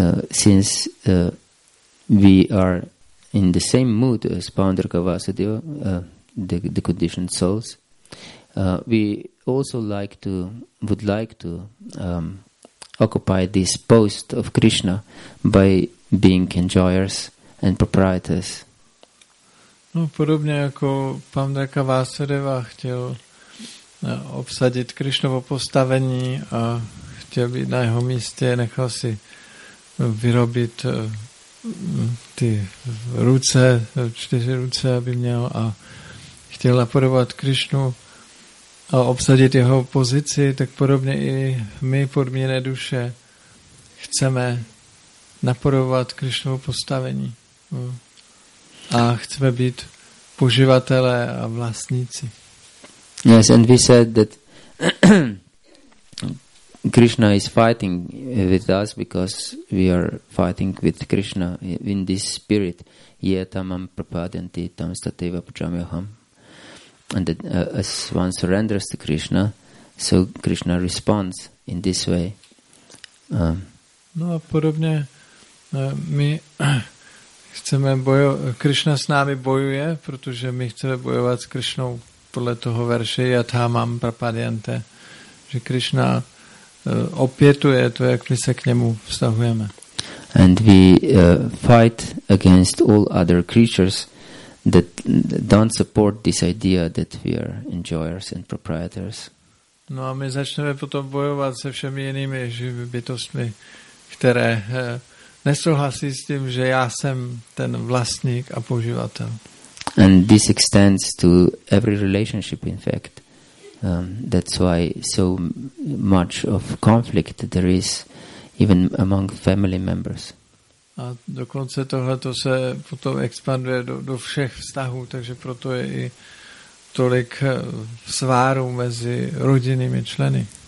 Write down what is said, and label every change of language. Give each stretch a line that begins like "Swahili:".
English: since we are in the same mood as Pandraka Vasudeva, the conditioned souls, we also would like to occupy this post of Krishna by being enjoyers and proprietors.
Czech: No, podobně jako Pandraka Vasudeva chtěl obsadit Krishnovo postavení a chtěl být na jeho místě, nechal si vyrobit ty ruce, čtyři ruce, aby měl, a chtěl napodobovat Krišnu a obsadit jeho pozici, tak podobně i my, podmíněné duše, chceme napodobovat Krišnovo postavení a chceme být poživatelé a vlastníci.
English: Yes, and we said that Krishna is fighting with us because we are fighting with Krishna in this spirit.
Sanskrit: Yetamam prapadyanti tam stateva pujamyaham.
English: And that, as one surrenders to Krishna, so Krishna responds in this way.
Czech: No a podobně my chceme bojovat, Krishna s námi bojuje, protože my chceme bojovat s Krishnou podle toho verše Yetamam prapadyanti, že Krishna opětuje to, jak my se k němu vztahujeme.
English: And we fight against all other creatures that don't support this idea that we are enjoyers and proprietors.
Czech: No a my začneme potom bojovat se všemi jinými živými bytostmi, které nesouhlasí s tím, že já jsem ten vlastník a poživatel.
English: And this extends to every relationship, in fact. That's why so much of conflict there is even among family members.
Czech: A dokonce tohleto se potom expanduje do všech vztahů, takže proto je i tolik svárů mezi rodinnými členy.